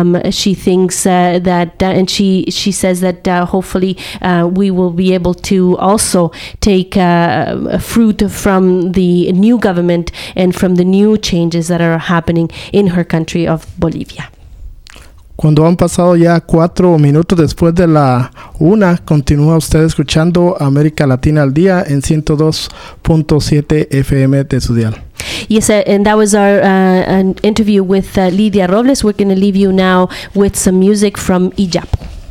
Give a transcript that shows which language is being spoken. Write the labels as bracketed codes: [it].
[en] She thinks and she says that hopefully we will be able to also take fruit from the new government and from the new changes that are happening in her country of Bolivia. [es] Cuando han pasado ya 4 minutos después de la 1, continúa usted escuchando América Latina al Día en 102.7 FM de su dial. [en] Yes, and that was our an interview with Lidia Robles. We're going to leave you now with some music from Ijapu.